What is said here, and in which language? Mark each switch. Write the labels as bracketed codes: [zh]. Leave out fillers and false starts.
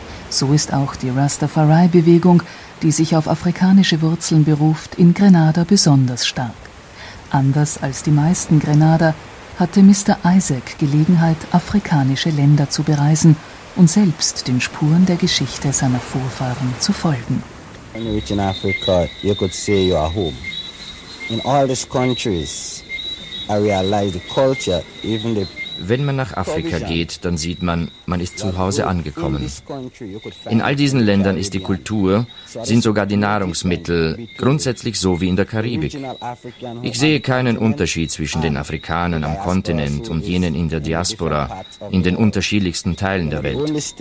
[de] So ist auch die Rastafari-Bewegung, die sich auf afrikanische Wurzeln beruft, in Grenada besonders stark. Anders als die meisten Grenader hatte Mr. Isaac Gelegenheit, afrikanische Länder zu bereisen und selbst den Spuren der Geschichte seiner Vorfahren zu folgen. [en] When you reach in Africa, you could say you are home. In all these countries, I realize the culture, even the. [de] Wenn man nach Afrika geht, dann sieht man, man ist zu Hause angekommen. In all diesen Ländern ist die Kultur, sind sogar die Nahrungsmittel, grundsätzlich so wie in der Karibik. Ich sehe keinen Unterschied zwischen den Afrikanern am Kontinent und jenen in der Diaspora, in den unterschiedlichsten Teilen der Welt.